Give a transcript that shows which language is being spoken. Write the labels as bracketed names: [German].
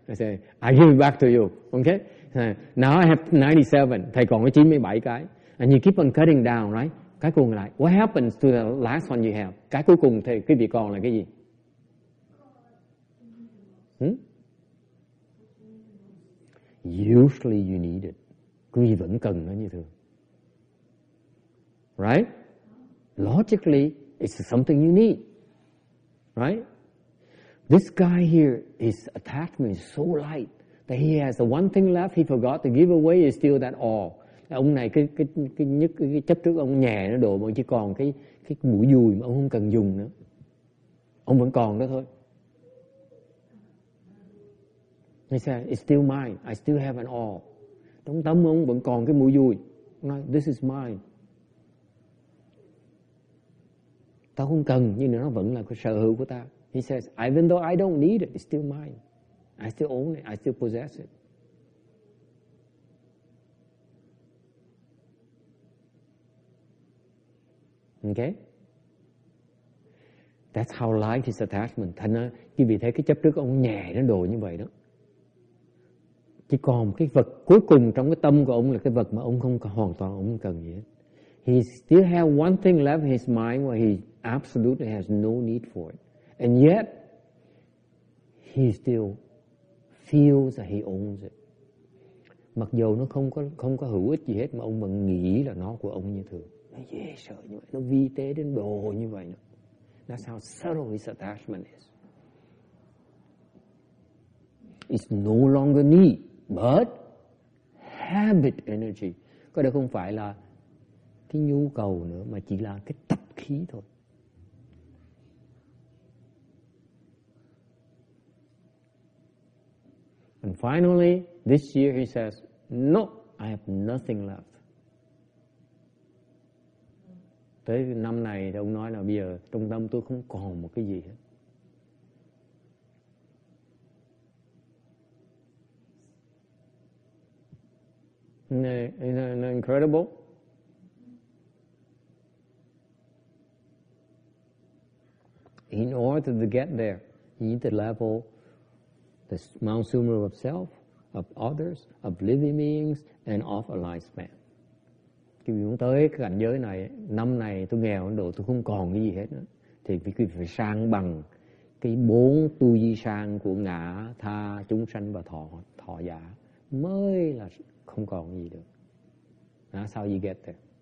[English] I say, I give it back to you. Okay? Now I have 97. [Vietnamese] Thầy còn có 97 cái. [English] And you keep on cutting down, right? [Vietnamese] Cái cuối cùng lại. [English] What happens to the last one you have? [Vietnamese] Cái cuối cùng thầy quý vị còn là cái gì? [English] Usually you need it. [Vietnamese] Quý vị vẫn cần nó như thường. [English] Right? Logically, it's something you need. Right? This guy here, his attachment is so light that he has the one thing left he forgot to give away is still that awl. [Vietnamese] Ông này cái chấp trước ông nhẹ nó đổ mà chỉ còn cái mũi dùi mà ông không cần dùng nữa. Ông vẫn còn đó thôi. [English] He said, it's still mine. I still have an awl. [Vietnamese] Trong tâm ông vẫn còn cái mũi dùi. [English] Ông nói, this is mine. [Vietnamese] Tao không cần nhưng nó vẫn là cái sở hữu của ta. [English] He says, even though I don't need it, it's still mine. I still own it. I still possess it. Okay? That's how light his attachment. [Vietnamese] Thành ra, quý vị thấy cái chấp trước ông nhẹ nó đồ như vậy đó. Chỉ còn cái vật cuối cùng trong cái tâm của ông là cái vật mà ông không hoàn toàn ông cần gì hết. [English] He still has one thing left in his mind where he absolutely has no need for it. And yet, he still feels that he owns it. [Vietnamese] Mặc dù nó không có hữu ích gì hết, mà ông vẫn nghĩ là nó của ông như thường. Nó dễ sợ như vậy. Nó vi tế đến độ như vậy. [English] That's how subtle his attachment is. It's no longer need, but habit energy. [Vietnamese] Cái đó không phải là cái nhu cầu nữa, mà chỉ là cái tập khí thôi. [English] And finally, this year he says, no, I have nothing left. [Vietnamese] Tới năm này thì ông nói là bây giờ trong tâm tôi không còn một cái gì hết. [English] Isn't that incredible? In order to get there, you need to level the Mount Sumeru of self, of others, of living beings, and of a lifespan. [Vietnamese] Khi muốn tới cái cảnh giới này, năm này tôi nghèo đến độ tôi không còn cái gì hết nữa, thì quý vị phải sang bằng cái bốn tu di san của ngã, tha, chúng sanh và thọ giả mới là không còn gì được. [English] That's how you get there.